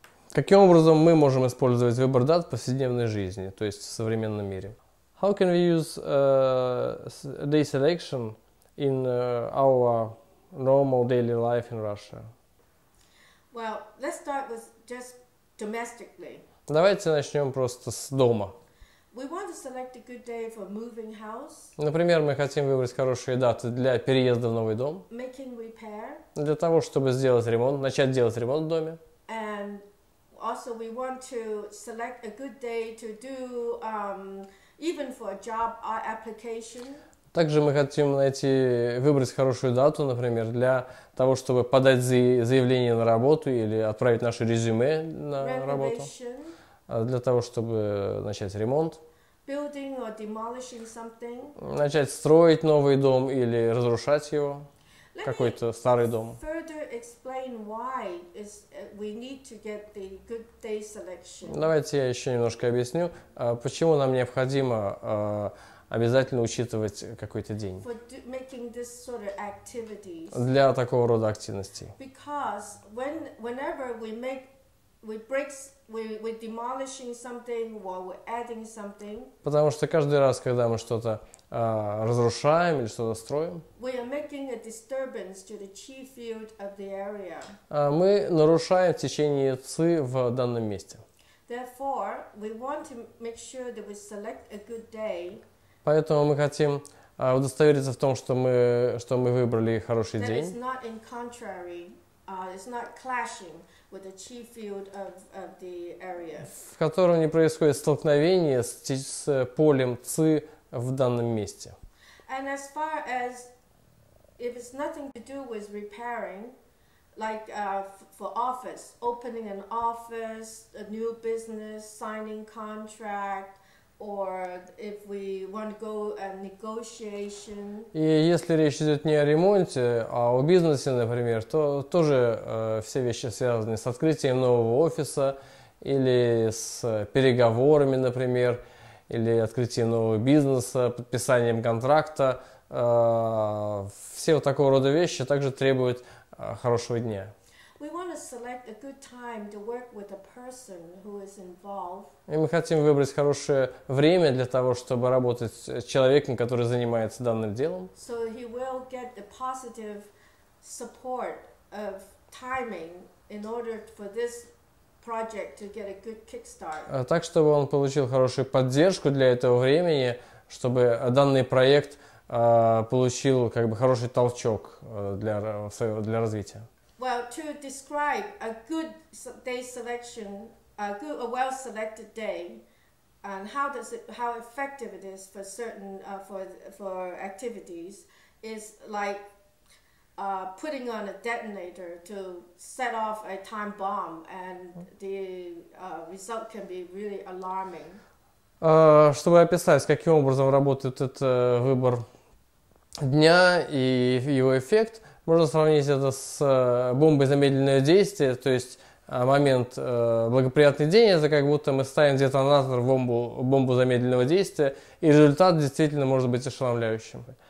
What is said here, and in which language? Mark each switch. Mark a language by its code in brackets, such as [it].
[ru] Каким образом мы можем использовать выбор дат в повседневной жизни, то есть в современном мире? [en] How can we use day selection in our normal daily life in Russia? Well, let's start with just domestically. [ru] Давайте начнем просто с дома. [en] We want to select a good day for moving house. [ru] Например, мы хотим выбрать хорошие даты для переезда в новый дом. [en] Making repair. [ru] Для того, чтобы сделать ремонт, начать делать ремонт в доме. [en] And also we want to select a good day to do even for a job application. [ru] Также мы хотим найти, выбрать хорошую дату, например, для того, чтобы подать заявление на работу или отправить наше резюме на работу. Для того, чтобы начать ремонт. [en] Building or demolishing something. [ru] Начать строить новый дом или разрушать его. [en] Let [ru] какой-то [en] me [ru] старый дом. [en] Further explain why is we need to get the good day selection. [ru] Давайте я еще немножко объясню, почему нам необходимо обязательно учитывать какой-то день. [en] For making this sort of activities. [ru] Для такого рода активностей. [en] Because whenever we're demolishing something or we're adding something. [ru] Потому что каждый раз, когда мы что-то разрушаем или что-то строим, [en] we are making a disturbance to the chi field of the area. [ru] Мы нарушаем течение ци в данном месте. [en] Therefore, we want to make sure that we select a good day. [ru] Поэтому мы хотим удостовериться в том, что мы выбрали хороший [en] that [ru] день. [en] It's not in contrary, it's not clashing with the chi field of the area. [ru] В котором не происходит столкновение с полем ци в данном месте. [en] And as far as if it's nothing to do with repairing, like for office, opening an office, a new business, signing contract, or if we want to go and negotiation. [ru] И если речь идет не о ремонте, а о бизнесе, например, то тоже все вещи связаны с открытием нового офиса или с переговорами, например, или открытием нового бизнеса, подписанием контракта. Все вот такого рода вещи также требуют хорошего дня. [en] We want to select a good time to work with a person who is involved. [ru] И мы хотим выбрать хорошее время для того, чтобы работать с человеком, который занимается данным делом. [en] So he will get the positive support of timing in order for this project to get a good kickstart. [ru] Так, чтобы он получил хорошую поддержку для этого времени, чтобы данный проект получил как бы хороший толчок для развития. [en] Well, to describe a good day selection, a well-selected day, and how effective it is for certain for activities, is like putting on a detonator to set off a time bomb, and the result can be really alarming. [ru] Чтобы описать, каким образом работает этот выбор дня и его эффект. Можно сравнить это с бомбой замедленного действия, то есть момент благоприятный день, это как будто мы ставим детонатор в бомбу замедленного действия, и результат действительно может быть ошеломляющим.